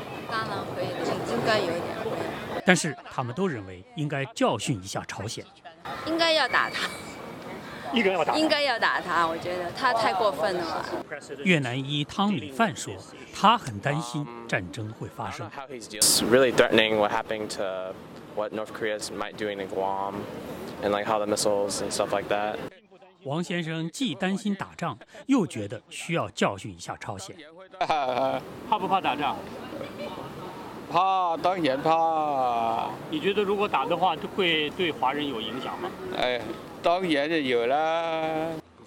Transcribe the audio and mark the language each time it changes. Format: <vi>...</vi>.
<zh>当然会，应该有点会。但是他们都认为应该教训一下朝鲜。应该要打他。应该要打他，我觉得他太过分了吧。越南裔汤米范说，他很担心战争会发生。</zh> <en>It's really threatening what happened to what North Korea's might doing in Guam, and like how the missiles and stuff like that.</en> <zh>王先生既担心打仗，又觉得需要教训一下朝鲜。怕不怕打仗？怕，当然怕。你觉得如果打的话，会对华人有影响吗？当然就有了。</zh>